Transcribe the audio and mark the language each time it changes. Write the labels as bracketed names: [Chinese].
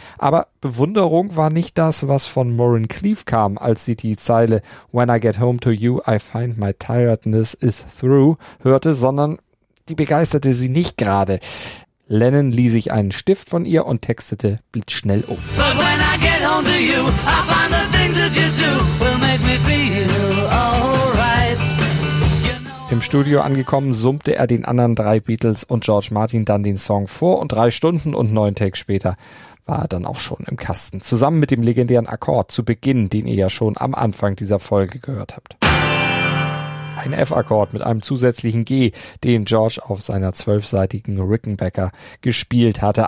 [German] Aber Bewunderung war nicht das, was von Maureen Cleave kam, als sie die Zeile » [English] When I get home to you, I find my tiredness is through« [German] hörte, sondern die begeisterte sie nicht gerade. Lennon lieh sich einen Stift von ihr und textete blitzschnell um. [English] But when I get home to you, I find the things that you do will make me feel alright. [German] Im Studio angekommen, summte er den anderen drei Beatles und George Martin dann den Song vor und 3 Stunden und 9 Takes später war er dann auch schon im Kasten. Zusammen mit dem legendären Akkord zu Beginn, den ihr ja schon am Anfang dieser Folge gehört habt. Ein F-Akkord mit einem zusätzlichen G, den George auf seiner 12-seitigen Rickenbacker gespielt hatte.